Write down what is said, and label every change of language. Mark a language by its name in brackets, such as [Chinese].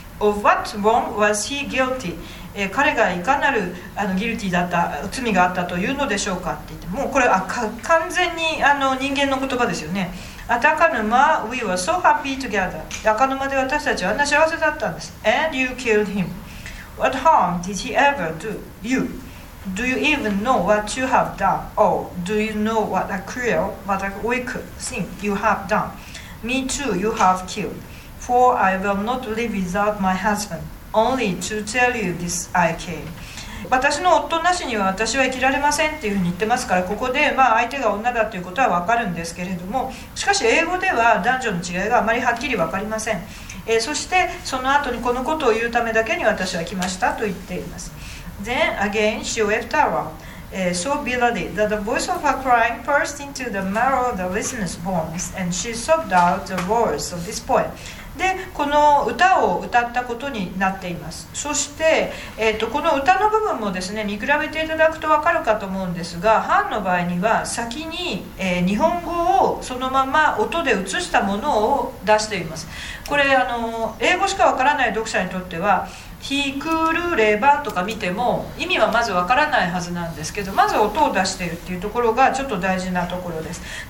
[English] Of what wrong was he guilty? [Japanese] 彼がいかなるあのギルティだった罪があったというのでしょうかって言って、もうこれ完全にあの人間の言葉ですよね。 [English] アタカヌマ we were so happy together. [Japanese] アカヌマで私たちはあんな幸せだったんです。 [English] And you killed him. What harm did he ever do you? Do you even know what you have done? Oh, do you know what a cruel, what a wicked thing you have done? Me too, you have killed. For I will not live without my husband. Only to tell you this I came. [Japanese] 私の夫なしには私は生きられませんっていうふうに言ってますから、ここでまあ相手が女だということは分かるんですけれども、しかし英語では男女の違いがあまりはっきり分かりません、そしてその後にこのことを言うためだけに私は来ましたと言っています。 [English] Then again she wept around、so bitterly that the voice of her crying burst into the marrow of the listener's bones and she sobbed out the words of this poem。 [Japanese] でこの歌を歌ったことになっています。そして、この歌の部分もですね、見比べていただくと分かるかと思うんですが、ハンの場合には先に、日本語をそのまま音で写したものを出しています。これ、英語しか分からない読者にとってはひくるればとか見ても意味はまず分からないはずなんですけど、まず音を出しているっていうところがちょっと大事なところです。